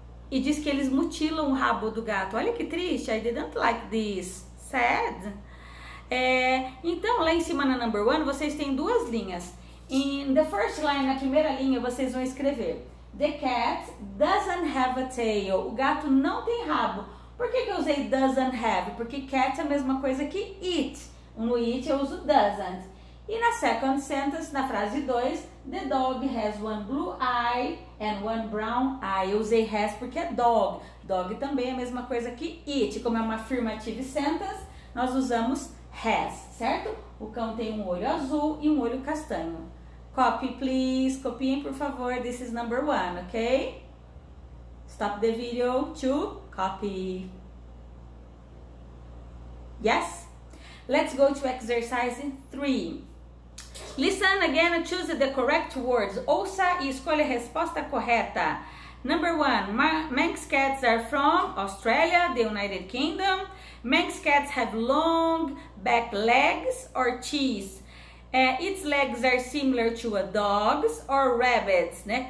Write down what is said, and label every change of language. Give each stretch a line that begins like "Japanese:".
Portuguese: E diz que eles mutilam o rabo do gato. Olha que triste.
English: I didn't like this. Sad.
Portuguese: Então, lá em cima na number one, vocês têm duas linhas.
English: In the first line,
Portuguese: na primeira linha, vocês vão escrever.
English: The cat doesn't have a tail.
Portuguese: O gato não tem rabo. Por que que eu usei doesn't have? Porque cat é a mesma coisa que it. No it eu uso doesn't. E na second sentence, na frase 2,
English: the dog has one blue eye and one brown eye.
Portuguese: Eu usei has porque é dog. Dog também é a mesma coisa que it. Como é uma affirmative sentence, nós usamos has, certo? O cão tem um olho azul e um olho castanho.
English: Copy, please.
Portuguese: Copiem, por favor.
English: This is number one, ok? Stop the video to copy. Yes? Let's go to exercise three. Listen again and choose the correct words.
Portuguese: Ouça e escolha a resposta correta.
English: Number one, Manx cats are from Australia, the United Kingdom. Manx cats have long back legs or cheese. Its legs are similar to a dog's or rabbit's, né?